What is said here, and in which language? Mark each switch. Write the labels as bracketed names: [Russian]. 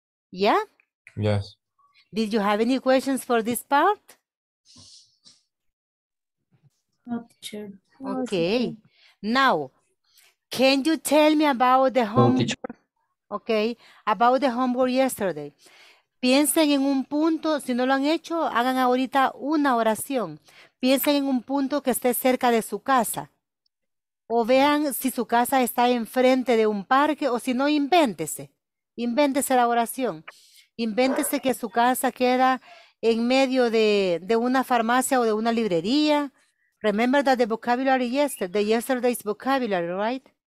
[English] Yeah? Yes. Did you have any questions for this part? Not sure. Okay. Now, can you tell me about the homework? Okay. About the homework yesterday. [Spanish] Piensen en un punto, si no lo han hecho, hagan ahorita una oración. Piensen en un punto que esté cerca de su casa. O vean si su casa está enfrente de un parque, o si no, invéntese. Invéntese la oración. Invéntese que su casa queda en medio de una farmacia o de una librería. [English] Remember that the vocabulary yesterday, yesterday's vocabulary, right?